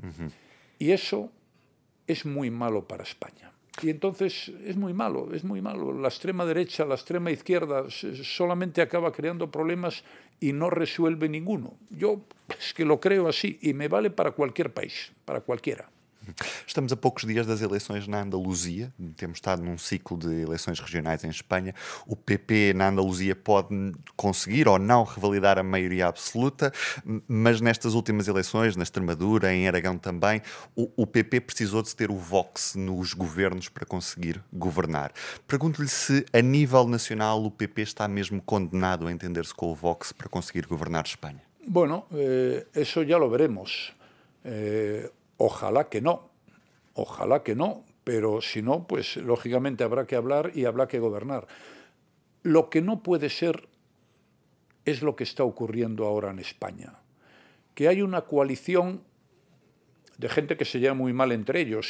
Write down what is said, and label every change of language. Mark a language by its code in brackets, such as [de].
[es] Uh-huh. Y eso es muy malo para España. Y entonces es muy malo. La extrema derecha, la extrema izquierda solamente acaba creando problemas y no resuelve ninguno. Yo es que lo creo así y me vale para cualquier país, para cualquiera. [pt] Estamos a poucos dias das eleições na Andaluzia. Temos estado num ciclo de eleições regionais em Espanha. O PP na Andaluzia pode conseguir ou não revalidar a maioria absoluta, mas nestas últimas eleições, na Extremadura, em Aragão também, o PP precisou de ter o Vox nos governos para conseguir governar. Pergunto-lhe se, a nível nacional, o PP está mesmo condenado a entender-se com o Vox para conseguir governar Espanha. [es] Bueno, eso ya lo veremos. Ojalá que no, pero si no, pues lógicamente habrá que hablar y habrá que gobernar. Lo que no puede ser es lo que está ocurriendo ahora en España. Que hay una coalición de gente que se lleva muy mal entre ellos.